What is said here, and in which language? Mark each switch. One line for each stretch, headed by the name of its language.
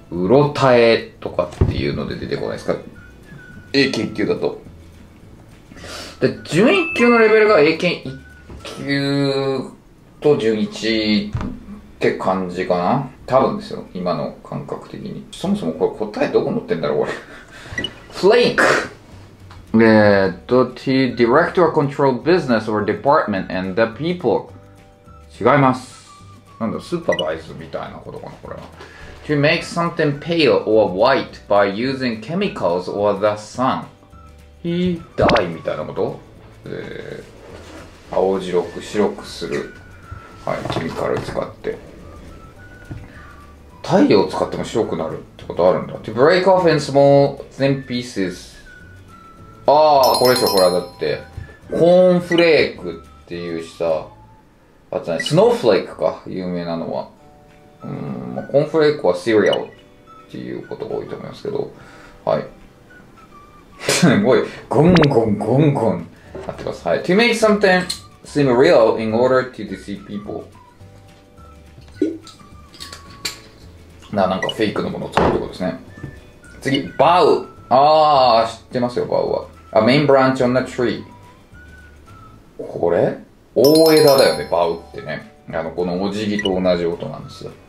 Japanese: うろたえとかっていうので出てこないですか？A 研究だと。で、準一級のレベルが A 研一級と準一って感じかな？多分ですよ。今の感覚的に。そもそもこれ答えどこ載ってんだろう、これ。
English: Flake! To direct or control business or department and the people.
Japanese: 違います。なんだ、スーパーバイスみたいなことかな、これは。
English: To make something pale or white by using chemicals or the sun. He died
Japanese: みたいなこと、青白く白くする。はい、ケミカル使って。太陽使っても白くなるってことあるんだ。
English: To break off in small thin pieces.
Japanese: ああ、これでしょ、これはだって。コーンフレークっていうさ、あとね、スノーフレークか、有名なのは。コーンフレークはシリアルっていうことが多いと思いますけど、はい。すごい、ゴンゴンゴンゴンなってます。はい。
English: To make something seem real in order to deceive people.
Japanese: なんかフェイクのものを作るってことですね。次、バウ。ああ、知ってますよ、バウは。
English: A main branch on the tree.
Japanese: これ大枝だよね、バウってね。このおじぎと同じ音なんです。